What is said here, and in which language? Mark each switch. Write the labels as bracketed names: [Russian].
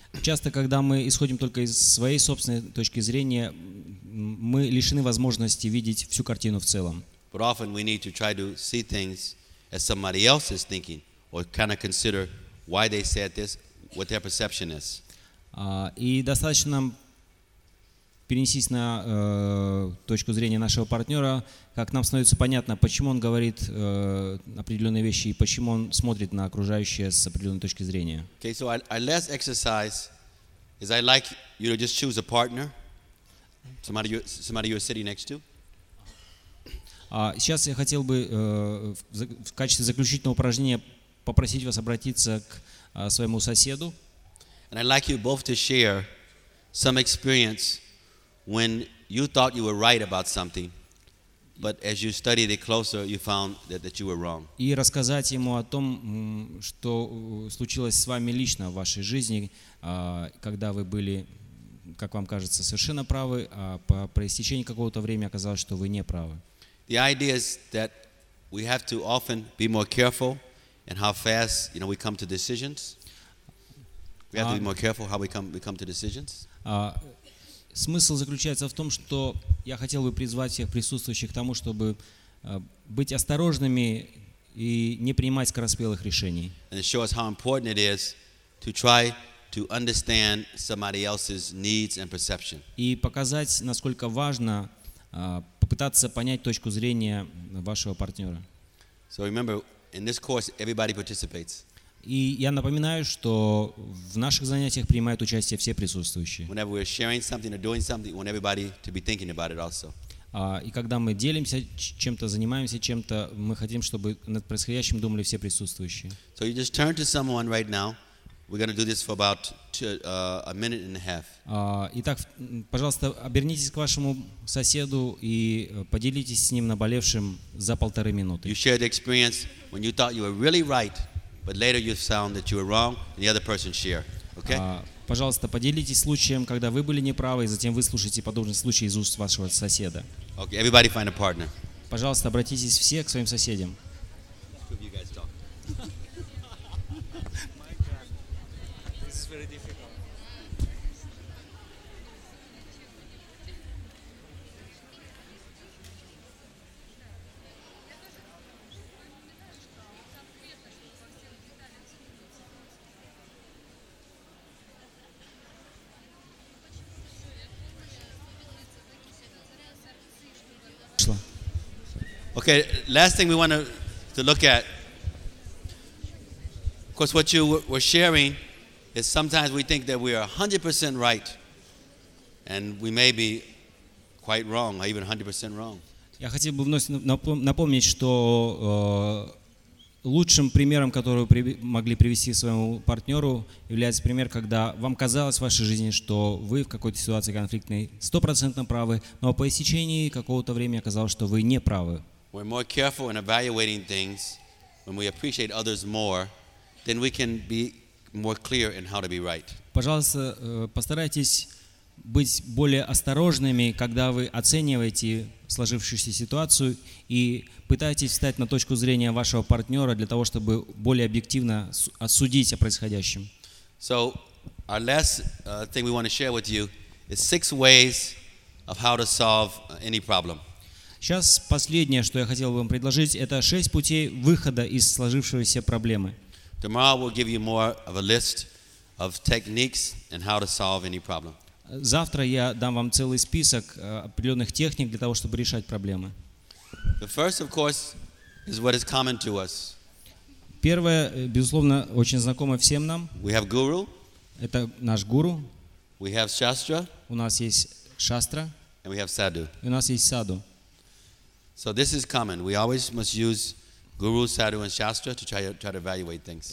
[Russian] Часто, когда мы исходим только из своей собственной точки зрения, мы лишены возможности видеть всю картину в целом. [English] But often we need to try to see things as somebody else is thinking, or kind of consider why they said this, what their perception is. [Russian] И достаточно нам перенестись на точку зрения нашего партнера, как нам становится понятно, почему он говорит определенные вещи и почему он смотрит на окружающее с определенной точки зрения. [English] Okay, so our last exercise is I like you to just choose a partner, somebody you're sitting next to. [Russian] Сейчас я хотел бы в качестве заключительного упражнения попросить вас обратиться к своему соседу. [English] And I'd like you both to share some experience when you thought you were right about something, but as you studied it closer, you found that you were wrong. [Russian] И рассказать ему о том, что случилось с вами лично в вашей жизни, когда вы были, как вам кажется, совершенно правы, а по истечении какого-то времени оказалось, что вы не правы. [English] The idea is that we have to often be more careful in how fast, you know, we come to decisions. We have to be more careful how we come to decisions. [Russian] Смысл заключается в том, что я хотел бы призвать всех присутствующих к тому, чтобы быть осторожными и не принимать скороспелых решений. [English] And it shows how important it is to try to understand somebody else's needs and perception. [Russian] И показать, насколько важно попытаться понять точку зрения вашего партнера. [English] So remember, in this course everybody participates. [Russian] И я напоминаю, что в наших занятиях принимают участие все присутствующие. [English] Whenever we're sharing something or doing something, we want everybody to be thinking about it also. [Russian] И когда мы делимся чем-то, занимаемся чем-то, мы хотим, чтобы над происходящим думали все присутствующие. [English] So you just turn to someone right now. We're going to do this for about a minute and a half. [Russian] Итак, пожалуйста, обернитесь к вашему соседу и поделитесь с ним наболевшим за полторы минуты. [English] You shared the experience when you thought you were really right, but later you found that you were wrong, and the other person shared. Okay? [Russian] Пожалуйста, поделитесь случаем, когда вы были неправы, и затем выслушайте подобный случай из уст вашего соседа. [English] Okay, everybody find a partner. [Russian] Пожалуйста, обратитесь все к своим соседям. [English] Okay, last thing we want to look at, of course, what you were sharing is sometimes we think that we are 100% right, and we may be quite wrong, or even 100% wrong. [Russian] Я хотел бы вновь напомнить, что лучшим примером, который вы могли привести своему партнеру, является пример, когда вам казалось в вашей жизни, что вы в какой-то ситуации конфликтной 100% правы, но по истечении какого-то времени оказалось, что вы не правы. [English] We're more careful in evaluating things when we appreciate others more, then we can be more clear in how to be right. [Russian] Пожалуйста, постарайтесь быть более осторожными, когда вы оцениваете сложившуюся ситуацию, и пытайтесь встать на точку зрения вашего партнера для того, чтобы более объективно осудить о происходящем. [English] So, our last thing we want to share with you is 6 ways of how to solve any problem. [Russian] Сейчас последнее, что я хотел бы вам предложить, это 6 путей выхода из сложившейся проблемы. [English] Tomorrow we'll give you more of a list of techniques and how to solve any problem. [Russian] Завтра я дам вам целый список определенных техник для того, чтобы решать проблемы. [English] The first, of course, is what is common to us. [Russian] Первое, безусловно, очень знакомо всем нам. [English] We have guru. [Russian] Это наш гуру. [English] We have shastra. [Russian] У нас есть шастра. [English] And we have sadhu. [Russian] И у нас есть саду. [English] So this is common. We always must use guru, sadhu, and shastra to try to evaluate things.